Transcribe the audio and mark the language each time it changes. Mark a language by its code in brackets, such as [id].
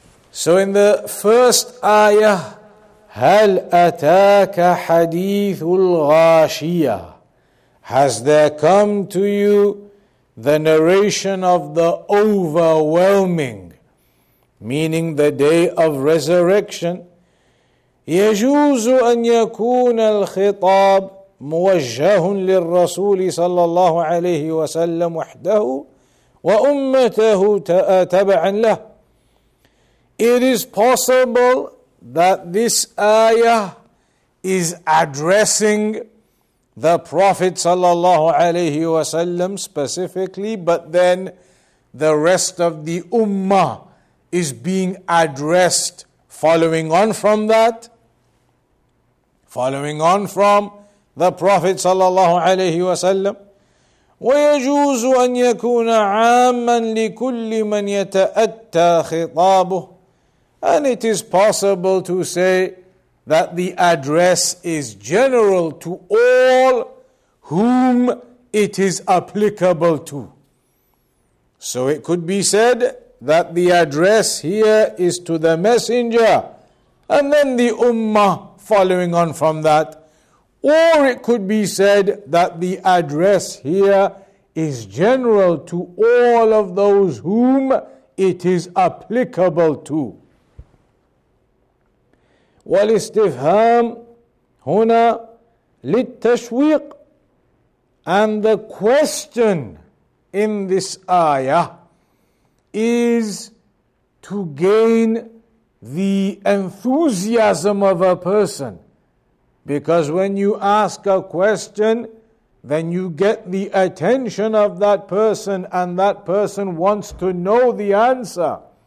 [en] So in the first ayah, [ar] هَلْ أَتَاكَ حَدِيثُ الْغَاشِيَةِ, [en] has there come to you the narration of the overwhelming, meaning the day of resurrection? [ar] يجوز أن يكون الخطاب موجه للرسول صلى الله عليه وسلم وحده وأمته تبعا له. [en] It is possible that this ayah is addressing the Prophet sallallahu alayhi wasallam specifically, but then the rest of the ummah is being addressed following on from the Prophet sallallahu alayhi wasallam. [ar] ويجوز أن يكون عاما لكل من يتأتى خطابه. [en] And it is possible to say that the address is general to all whom it is applicable to. So it could be said that the address here is to the messenger and then the ummah following on from that. Or it could be said that the address here is general to all of those whom it is applicable to. [ar] والاستفهام هنا للتشويق. [en] And the question in this ayah is to gain the enthusiasm of a person. Because when you ask a question, then you get the attention of that person, and that person wants to know the answer.